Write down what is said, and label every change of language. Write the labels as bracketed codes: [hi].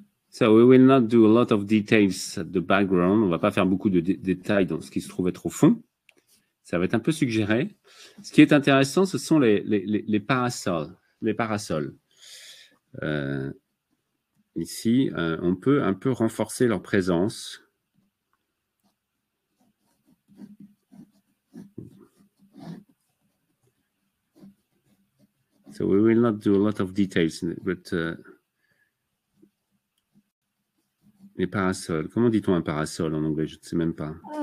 [en] So we will not do a lot of details at the background. [fr] On va pas faire beaucoup de détails dans ce qui se trouve être au fond. Ça va être un peu suggéré. Ce qui est intéressant, ce sont les parasols. Les parasols. Ici, on peut un peu renforcer leur présence. [en] So we will not do a lot of details, but les parasols. [fr] Comment dit-on un parasol en anglais? Je ne sais même pas.